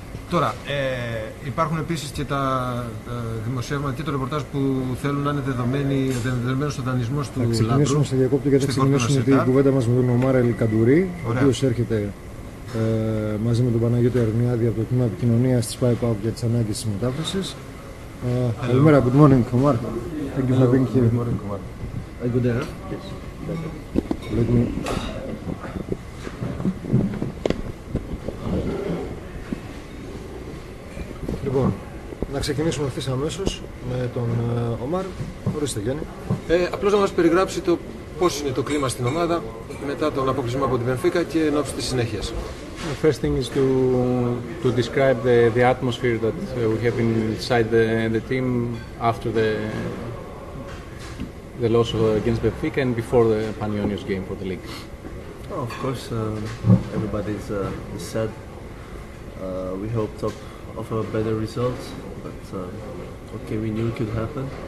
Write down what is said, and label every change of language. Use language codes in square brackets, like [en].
[el] Τώρα, υπάρχουν επίσης και τα δημοσιεύματα και το ρεπορτάζ που θέλουν να είναι δεδομένοι στο δανεισμό του Λαμπρού. Θα ξεκινήσουμε σε διακόπτη και θα ξεκινήσουμε την κουβέντα μας με τον Ομάρ Ελ Καντουρί, ο οποίος έρχεται μαζί με τον Παναγιώτη Αρνιάδη από το τμήμα επικοινωνίας της ΠΑΟΚ για τις ανάγκες της μετάφρασης. Καλημέρα, [en] good morning, Omar. Thank you for being here. Good morning, Omar. Are you there? Yes. Let me. [el] Λοιπόν, να ξεκινήσουμε ευθύς αμέσως με τον Omar. Ορίστε, Γιάννη. Απλώς να μας περιγράψει το πώς είναι το κλίμα στην ομάδα μετά τον αποκλεισμό από την Μπενφίκα και εν ώψη της συνέχειας. [en] The first thing is to describe the atmosphere that we have inside the team after the loss against Benfica and before the Panionios game for the league. Oh, of course, everybody's sad. We hoped of a better result, but okay, we knew it could happen.